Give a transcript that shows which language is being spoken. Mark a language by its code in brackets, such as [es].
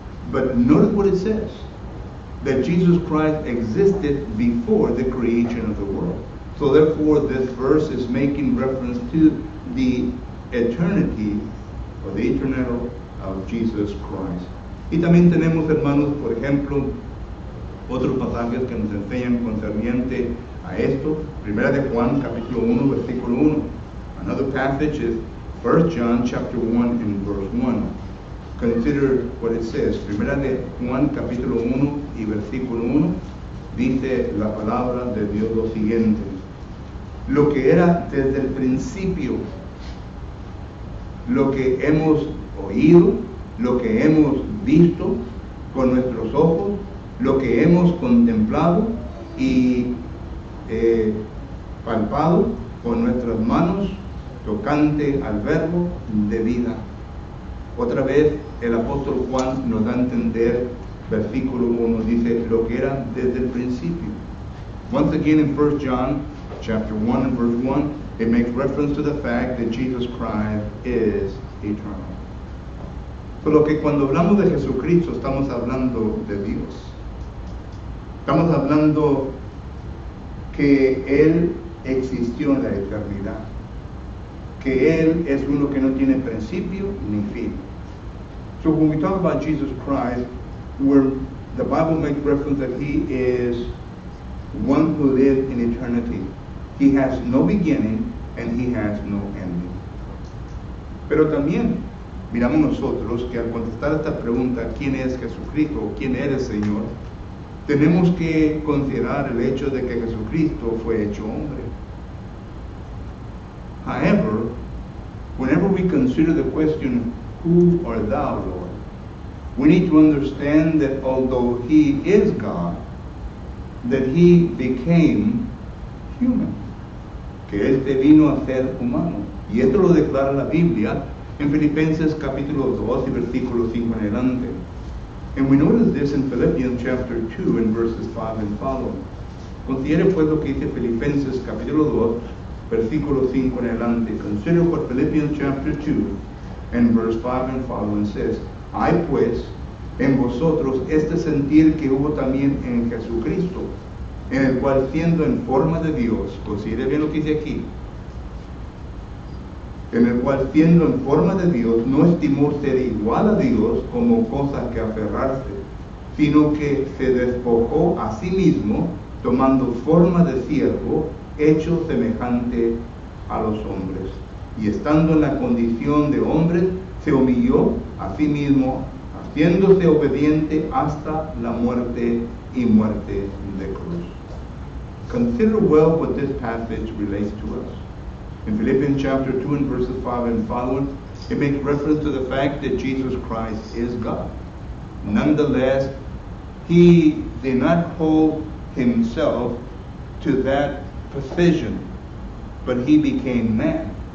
[en] But notice what it says, that Jesus Christ existed before the creation of the world. So therefore, this verse is making reference to the eternity or the eternal of Jesus Christ. [es] Y también tenemos, hermanos, por ejemplo, otros pasajes que nos enseñan concerniente a esto. Primera de Juan, capítulo 1, versículo 1. [en] Another passage is 1 John chapter 1 and verse 1. Consider what it says. [es] Primera de Juan, capítulo 1 y versículo 1, dice la palabra de Dios lo siguiente. Lo que era desde el principio, lo que hemos oído, lo que hemos visto con nuestros ojos, lo que hemos contemplado y palpado con nuestras manos, tocante al Verbo de vida. Otra vez, el apóstol Juan nos da a entender, versículo 1, dice, lo que era desde el principio. [en] Once again, in 1 John, chapter 1, and verse 1, it makes reference to the fact that Jesus Christ is eternal. [es] Por lo que cuando hablamos de Jesucristo, estamos hablando de Dios. Estamos hablando que Él existió en la eternidad. Que Él es uno que no tiene principio ni fin. [en] So when we talk about Jesus Christ, where the Bible makes reference that He is one who lived in eternity. He has no beginning and He has no ending. [es] Pero también miramos nosotros que al contestar esta pregunta, ¿quién es Jesucristo? ¿Quién eres, Señor? Tenemos que considerar el hecho de que Jesucristo fue hecho hombre. [en] However, whenever we consider the question, who art thou, Lord? We need to understand that although He is God, that He became human. [es] Que Él te vino a ser humano. Y esto lo declara la Biblia en Filipenses capítulo 2 y versículo 5 en adelante. [en] And we notice this in Philippians chapter 2 in verses 5 and following. [es] Considere pues lo que dice Filipenses capítulo 2, versículo 5 en adelante. [en] Consider what Philippians chapter 2 and verse 5 and following says. [es] Hay pues en vosotros este sentir que hubo también en Jesucristo, en el cual siendo en forma de Dios, considere bien lo que dice aquí, en el cual siendo en forma de Dios, no estimó ser igual a Dios como cosa que aferrarse, sino que se despojó a sí mismo, tomando forma de siervo, hecho semejante a los hombres. Y estando en la condición de hombre, se humilló a sí mismo, haciéndose obediente hasta la muerte y muerte de cruz. [en] Consider well what this passage relates to us. In Philippians chapter 2 and verses 5 and following, it makes reference to the fact that Jesus Christ is God. Nonetheless, He did not hold Himself to that position, but He became man.